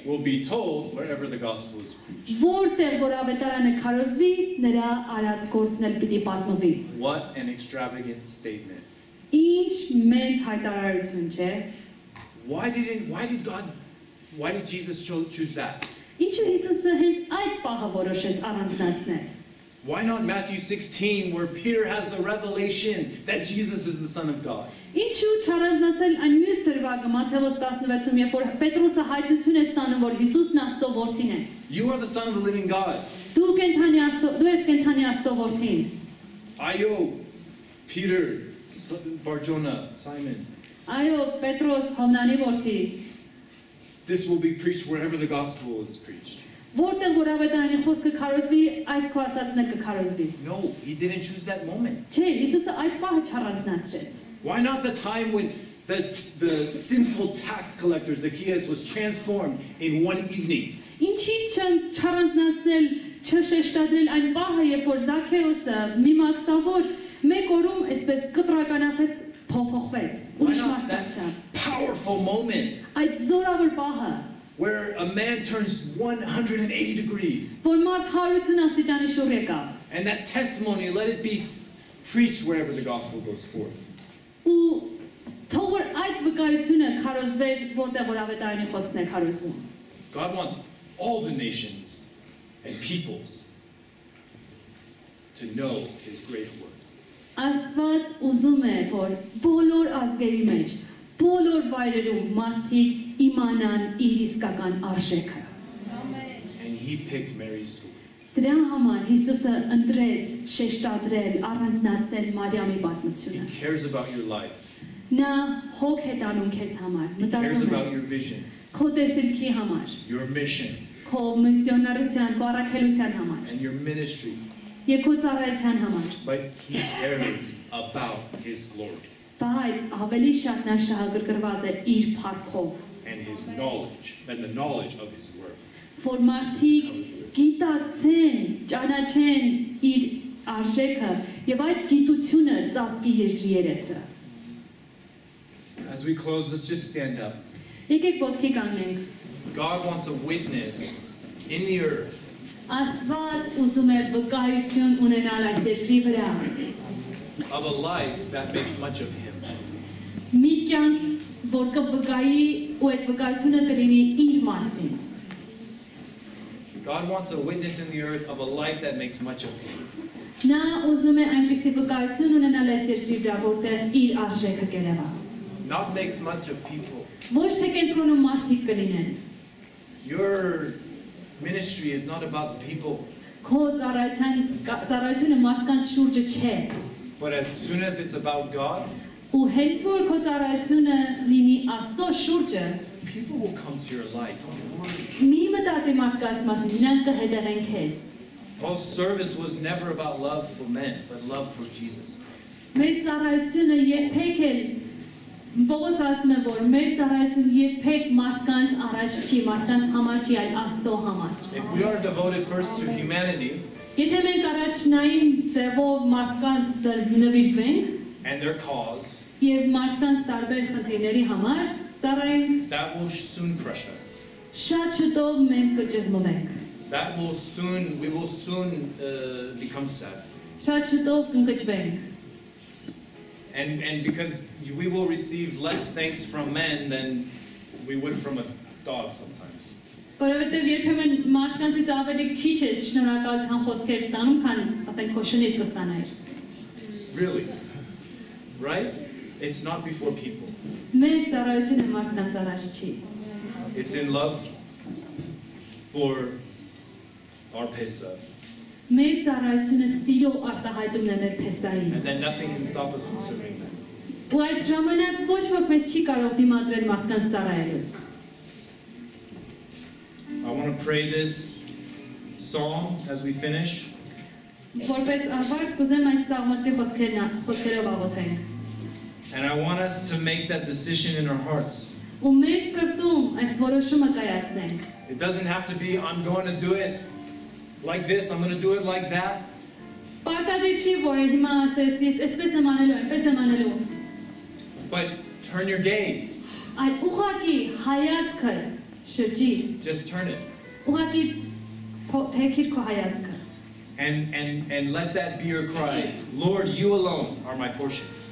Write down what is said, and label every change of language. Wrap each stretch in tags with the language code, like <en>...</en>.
<en>will be told wherever the gospel is preached.</en> <hy>Որտեղ որ ավետարանը քարոզվի, նրա արած գործն էլ պիտի պատմվի.</hy> <en>What an extravagant statement.</en> <hy>Ինչ մեծ հայտարարություն չէ.</hy> <en>Why did Jesus choose that?</en> <hy>Ինչու Հիսուսը հենց այդ պահը որոշեց առանձնացնել?</hy> <en>Why not Matthew 16 where Peter has the revelation that Jesus is the Son of God?</en> <hy>Ինչու չառանձնացել այն մյուս դրվագը Մատթեոս 16-ում, երբ որ Պետրոսը հայտնություն է ստանում, որ Հիսուսն Աստծո որդին է?</hy> <en>You are the Son of the living God.</en> <hy>Դու ես կենդանի Աստծո որդին. Այո,</hy> <en>Peter, Barjona, Simon.</en> <hy>Այո, Պետրոս, Հովնանի որդի.</hy> <en>This will be preached wherever the gospel is preached.</en> <hy>Որտեղ որ ավետարանի խոսքը քարոզվի, այս քո ասածն էլ կքարոզվի.</hy> <en>No, he didn't choose that moment.</en> <hy>Չէ, Հիսուսը այդ պահը չառանձնացրեց.</hy> <en>Why not the time when the sinful tax collector Zacchaeus was transformed in one evening?</en> <hy>Ինչի՞ն չառանձնացնել, չշեշտադրել այն պահը, երբ որ Զաքեոսը մի մաքսավոր մեկ օրում այսպես կտրականապես փոփոխվեց, ուրիշ մարդ դարձավ.</hy> <en>Powerful moment.</en> <hy>Այդ զորավոր պահը.</hy> <en>Where a man turns 180 degrees.</en> <hy>Որ մարդ 180 աստիճանի շուրջ եկավ.</hy> <en>And that testimony, let it be preached wherever the gospel goes forth.</en> <hy>Ու թող որ այդ վկայությունը քարոզվեր որտեղ որ ավետարանի խոսքն է քարոզվում.</hy> <en>God wants all the nations and peoples to know his great work.</en> <hy>Աստված ուզում է որ բոլոր ազգերի մեջ, բոլոր վայրերում մարդիկ իմանան իր իսկական արժեքը.</hy> <en>And he picked Mary's story.</en> <hy>Դրա համար Հիսուսը ընտրեց շեշտադրել, առանձնացնել Մարիամի պատմությունը.</hy> <en>He cares about your life.</en> <hy>Նա հոգ է տանում քեզ համար, մտածում է քո տեսքի համար,</hy> <en>your mission.</en> <hy>Քո միսիոնարության, քո առաքելության համար,</hy> <en>and your ministry.</en> <hy>Եվ քո ծառայության համար.</hy> <en>But he cares about his glory.</en> <hy>Բայց ավելի շատ նա շահագրգռված է իր փառքով.</hy> <en>And his knowledge, and the knowledge of his work. For</en> <hy>մարդիկ գիտակցեն, ճանաչեն իր արժեքը եւ այդ գիտությունը ծածկի երկրի երեսը.</hy> <en>As we close, let's just stand up.</en> <hy>Եկեք ոտքի կանգնենք.</hy> <en>God wants a witness in the earth.</en> <hy>Աստված ուզում է վկայություն ունենալ այս երկրի վրա.</hy> <en>Of a life that makes much of him.</en> <hy>Մի կյանք, որ կվկայի ու այդ վկայությունը կլինի իր մասին.</hy> <en>God wants a witness in the earth of a life that makes much of him.</en> <hy>Նա ուզում է այնպեսի վկայություն ունենալ այս երկրի վրա, որտեղ իր արժեքը կերևա.</hy> <en>Not makes much of people.</en> <hy>Ոչ թե կենտրոնում մարդիկ կլինեն.</hy> <en>Your ministry is not about the people.</en> <hy>Քո ծառայությունը մարդկանց շուրջը չէ.</hy> <en>But as soon as it's about God,</en> <hy>ու հենց որ քո ծառայությունը լինի Աստծո շուրջը,</hy> <en>people will come to your light.</en> <hy>Մի մտածի մարդկանց մասին, նրանք կհետևեն քեզ.</hy> <en>Our service was never about love for men, but love for Jesus Christ.</en> <hy>Մեր ծառայությունը երբեք էլ Պողոս ասում է, որ մեր ծառայությունը երբեք մարդկանց առաջ չի, մարդկանց համար չի, այլ Աստծո համար։</hy> <en>If we are devoted first to humanity,</en> <hy>եթե մենք առաջնային ձևով մարդկանց նվիրվենք,</hy> <en>and their cause,</en> <hy>եւ մարդկանց տարբեր խնդիրների համար, ծառայենք,</hy> <en>that will soon crush us.</en> <hy>Շատ շուտով մենք կճզմվենք.</hy> <en>That will soon, we will soon become sad.</en> <hy>Շատ շուտով կնկճվենք.</hy> <en>And because we will receive less thanks from men than we would from a dog sometimes.</en> <hy>Որովհետև երբեմն մարդկանցից ավելի քիչ ես շնորհակալության խոսքեր ստանում, քան ասենք քո շնից կստանայիր.</hy> <en>Really? Right? It's not before people.</en> <hy>Մեր ծառայությունը մարդկանց առաջ չի.</hy> <en>It's in love for our Pesa.</en> <hy>Մեր ծառայությունը սիրո արտահայտումն է մեր Փեսային.</hy> <en>And then nothing can stop us from serving them.</en> <hy>Ու այդ ժամանակ ոչ ոք մեզ չի կարող դիմադրել մարդկանց ծառայելուց.</hy> <en>I want to pray this song as we finish.</en> <hy>Որպես ավարտ կուզեմ այս սաղմոսի խոսքերով ավոթենք.</hy> <en>And I want us to make that decision in our hearts.</en> <hy>Ու մեր սրտում այս որոշումը կայացնենք.</hy> <en>It doesn't have to be I'm going to do it like this, I'm going to do it like that.</en> <hy>Պարտադիր չի որ հիմա ասես, ես էսպես եմ անելու, այնպես եմ անելու.</hy> <en>But turn your gaze.</en> <hy>Այդ ուղակի հայացքը շրջիր.</hy> <en>Just turn it.</en> <hy>Ուղակի թեքիր քո հայացքը.</hy> <en>And let that be your cry. Lord, you alone are my portion.</en>